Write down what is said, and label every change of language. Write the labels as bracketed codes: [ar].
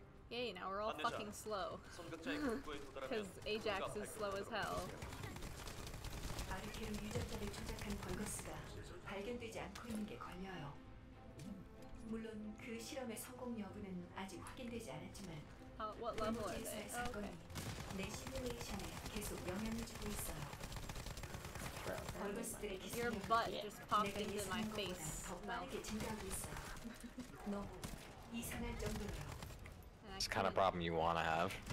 [en] Yay, now we're all fucking slow. Because Ajax is slow as hell. [ko] 기름 유전자를 조작한 벌거스가 발견되지 않고 있는 게 걸려요. 물론 그 실험의 성공 여부는 아직 확인되지 않았지만 본부지에서의 사건이 내 시뮬레이션에 계속 영향을 주고 있어요. [en] Your butt just popped into my face. No, it's the kind of problem you want to have.